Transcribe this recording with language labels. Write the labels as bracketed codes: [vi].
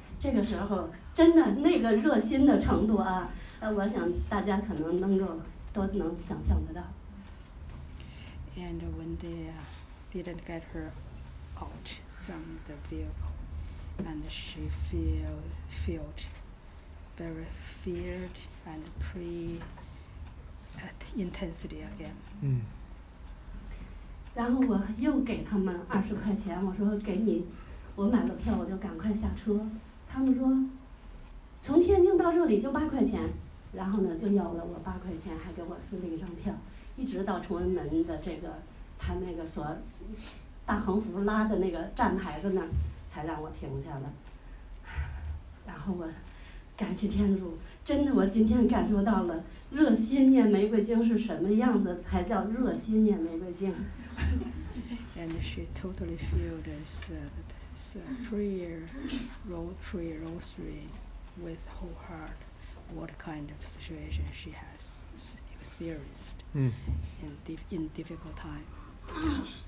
[zh] 这个时候真的那个热心的程度啊，我想大家可能都能想象得到。 [en] And when they didn't get her out from the vehicle and she felt very feared and pray at intensity again. [zh] 然后我又给他们20块钱，我说给你，我买了票我就赶快下车。他们说从天津到这里就8块钱，然后呢就要了我8块钱，还给我撕了一张票，一直到崇文门的这个他那个所大横幅拉的那个站牌子那才让我停下了。然后我感谢天主，真的，我今天感受到了热心念玫瑰经是什么样子，才叫热心念玫瑰经。 [en] And she totally feels this prayer rosary with whole heart. What kind of situation she has experienced in difficult time?